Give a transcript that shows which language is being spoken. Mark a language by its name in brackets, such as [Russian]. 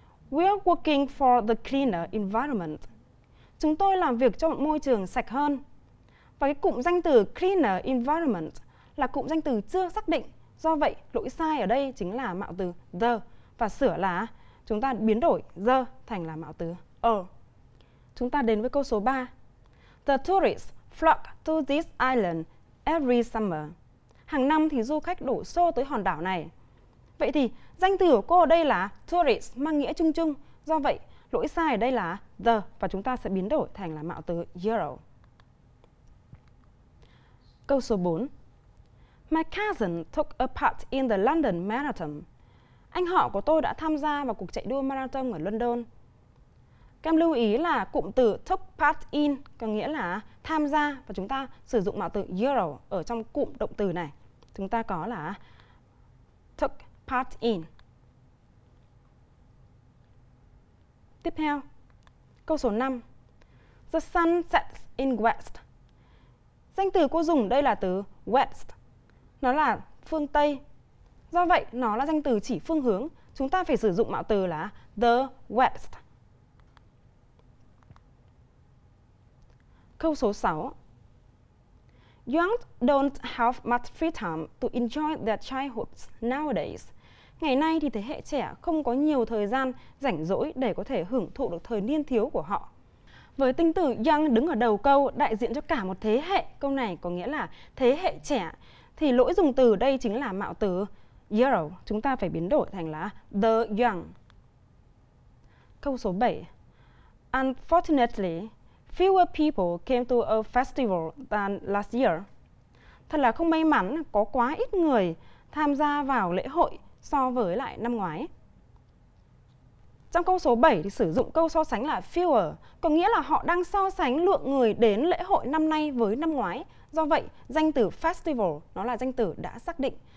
[English] We are working for the cleaner environment. [Vietnamese] Chúng tôi làm việc cho một môi trường sạch hơn. Và cái cụm danh từ cleaner environment là cụm danh từ chưa xác định. Do vậy, lỗi sai ở đây chính là mạo từ the. Và sửa là chúng ta biến đổi the thành là mạo từ a. Chúng ta đến với câu số 3. [English] The tourists flock to this island every summer. [Vietnamese] Hàng năm thì du khách đổ xô tới hòn đảo này. Vậy thì danh từ của cô ở đây là tourist mang nghĩa chung chung. Do vậy, lỗi sai ở đây là the và chúng ta sẽ biến đổi thành là mạo từ euro. Câu số 4. [English] My cousin took a part in the London Marathon. [Vietnamese] Anh họ của tôi đã tham gia vào cuộc chạy đua marathon ở London. Các em lưu ý là cụm từ took part in có nghĩa là tham gia và chúng ta sử dụng mạo từ euro ở trong cụm động từ này. Chúng ta có là took part in. Tiếp theo, câu số 5. [English] The sun sets in west. [Vietnamese] Danh từ cô dùng đây là từ west. Nó là phương Tây. Do vậy, nó là danh từ chỉ phương hướng. Chúng ta phải sử dụng mạo từ là the west. Câu số 6. [English] Young don't have much free time to enjoy their childhoods nowadays. [Vietnamese] Ngày nay thì thế hệ trẻ không có nhiều thời gian rảnh rỗi để có thể hưởng thụ được thời niên thiếu của họ. Với tính từ young đứng ở đầu câu đại diện cho cả một thế hệ, câu này có nghĩa là thế hệ trẻ, thì lỗi dùng từ đây chính là mạo từ young. Chúng ta phải biến đổi thành là the young. Câu số 7. [English] Unfortunately, fewer people came to a festival than last year. [Vietnamese] Thật là không may mắn, có quá ít người tham gia vào lễ hội so với lại năm ngoái. Trong câu số 7 thì sử dụng câu so sánh là fewer, có nghĩa là họ đang so sánh lượng người đến lễ hội năm nay với năm ngoái. Do vậy, danh từ festival nó là danh từ đã xác định.